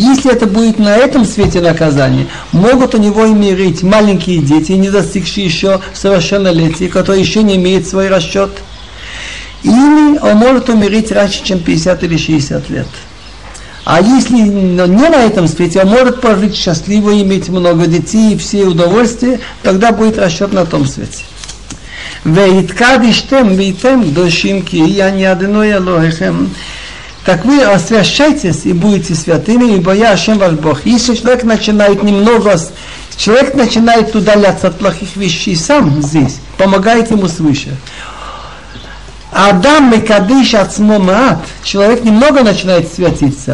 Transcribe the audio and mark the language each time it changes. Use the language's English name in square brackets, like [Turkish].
[Russian] Если это будет на этом свете наказание, могут у него умереть маленькие дети, не достигшие еще совершеннолетия, которые еще не имеют свой расчет. Или он может умереть раньше, чем 50 или 60 лет. А если не на этом свете, он может пожить счастливо, иметь много детей и все удовольствия, тогда будет расчет на том свете. [Hebrew] ויתקדשתם ויתם קדושים כי אני אדוני אלוהיכם. [Russian] Так вы освящайтесь и будете святыми, ибо я Ашем ваш Бог. Если человек начинает немного, человек начинает удаляться от плохих вещей сам здесь, помогает ему свыше. [Hebrew] Адам мекадыш отцмо маат. [Russian] Человек немного начинает святиться.